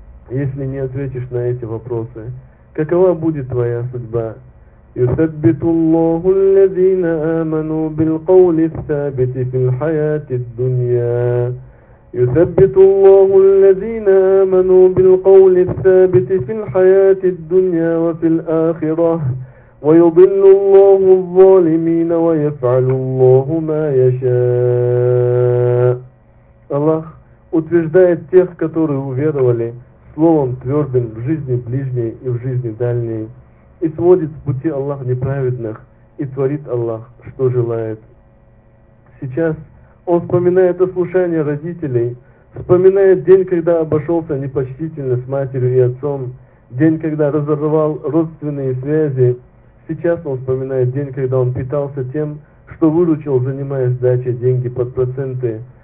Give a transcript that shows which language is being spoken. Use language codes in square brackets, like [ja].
[ru] если не ответишь на эти вопросы? Какова будет твоя судьба? [ar] يُثَبِّتُ اللَّهُ الَّذِينَ آمَنُوا بِالْقَوْلِ الثَّابِتِ فِي الْحَيَاةِ الدُّنْيَا يُثَبِّتُ اللَّهُ الَّذِينَ آمَنُوا بِالْقَوْلِ الثَّابِتِ فِي الْحَيَاةِ الدُّنْيَا وَفِي الْآخِرَةِ وَيُضِلُّ اللَّهُ الظَّالِمِينَ وَيَفْعَلُ اللَّهُ مَا يَشَاءُ [ru] الله утверждает тех, которые уверовали словом твердым в жизни ближней и в жизни дальней, и сводит с пути Аллах неправедных, и творит Аллах, что желает. Сейчас он вспоминает о слушании родителей, вспоминает день, когда обошелся непочтительно с матерью и отцом, день, когда разорвал родственные связи. Сейчас он вспоминает день, когда он питался тем, что выручил, занимаясь дачей деньги под проценты.